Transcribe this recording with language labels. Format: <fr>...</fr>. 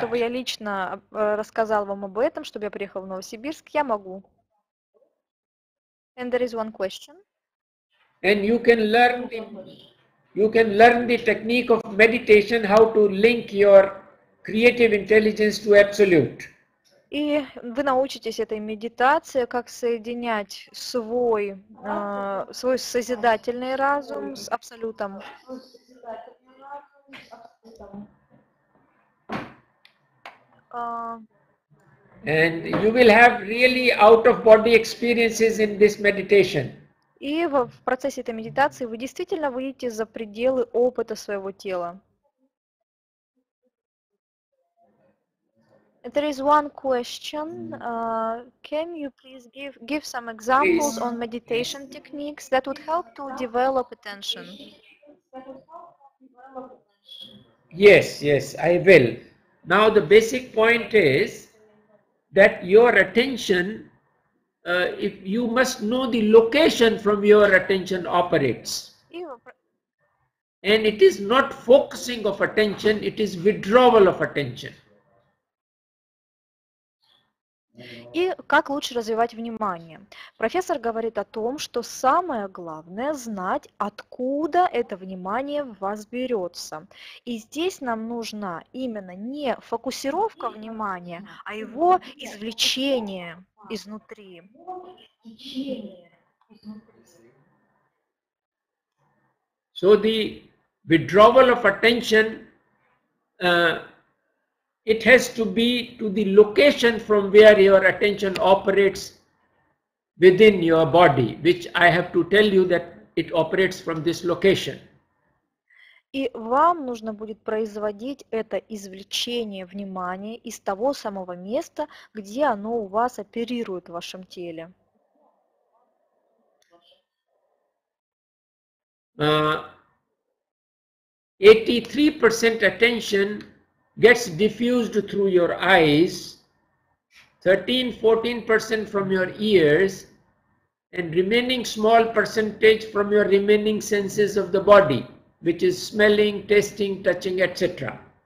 <ru>Чтобы я лично рассказал вам об этом, чтобы я приехал в Новосибирск, я могу.</ru> <en>And there is one question. And you can learn the technique of meditation, how to link your creative intelligence to absolute.</en> <ru>И вы научитесь этой медитации, как соединять свой созидательный разум с абсолютом.</ru> <en>And you will have really out-of-body experiences in this meditation.</en> <ru>И в процессе этой медитации вы действительно выйдете за пределы опыта своего тела.</ru> <en>There is one question. Can you please give some examples, please, on meditation techniques that would help to develop attention? Yes, I will. Now the basic point is that your attention, if you must know the location from your attention operates. And it is not focusing of attention, it is withdrawal of attention.</en> <ru>И как лучше развивать внимание? Профессор говорит о том, что самое главное – знать, откуда это внимание в вас берется. И здесь нам нужна именно не фокусировка внимания, а его извлечение изнутри.</ru> <en>So the withdrawal of attention it has to be to the location from where your attention operates within your body, which I have to tell you that it operates from this location.</en> <ru>И вам нужно будет производить это извлечение внимания из того самого места, где оно у вас оперирует в вашем теле.</ru> <en>Uh, 83% attention gets diffused through your eyes, 13-14% from your ears, and remaining small percentage from your remaining senses of the body, which is smelling, tasting, touching, etc.</en>